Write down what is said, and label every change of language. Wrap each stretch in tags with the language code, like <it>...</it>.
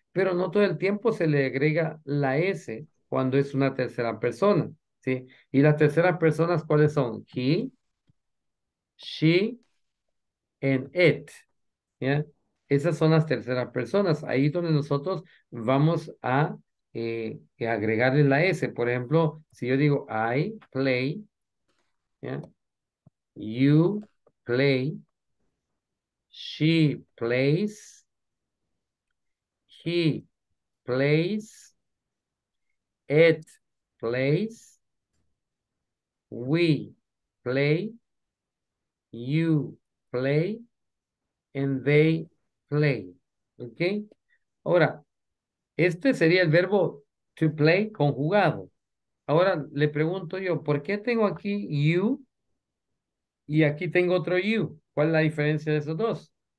<es>Pero no todo el tiempo se le agrega la S cuando es una tercera persona, ¿sí? Y las terceras personas, ¿cuáles son?</es> <en>He, she, and it,</en> <es>¿sí? Esas son las terceras personas. Ahí es donde nosotros vamos a agregarle la S. Por ejemplo, si yo digo</es> <en>I play, yeah, you play, she plays, he plays, it plays, we play, you play, and they play.</en> <es>¿Ok? Ahora, este sería el verbo to play conjugado. Ahora le pregunto yo, ¿por qué tengo aquí you y aquí tengo otro you? ¿Cuál es la diferencia de esos dos?</es>